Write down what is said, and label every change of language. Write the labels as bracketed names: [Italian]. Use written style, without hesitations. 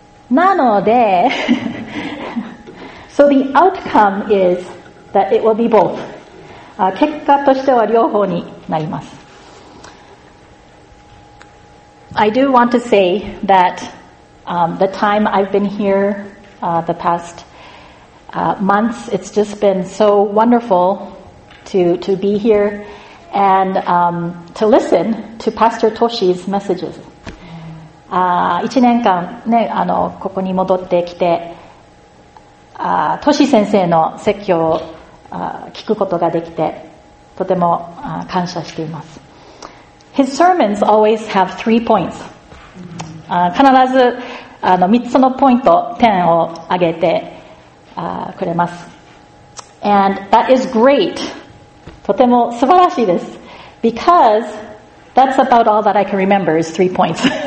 [Japanese] なので、 [English] so the outcome is that it will be both. [Japanese] 結果としては両方になります。 [English] I do want to say that the time I've been here the past months, it's just been so wonderful to be here and to listen to Pastor Toshi's messages. [Japanese] 1年間ね、ここに戻ってきて、Toshi 先生の説教を聞くことができて、とても感謝しています。 [English] His sermons always have three points. [Japanese] 必ず3つのポイント、点を挙げてくれます。 [English] And that is great. [Japanese] とても素晴らしいです。 [English] Because that's about all that I can remember is three points.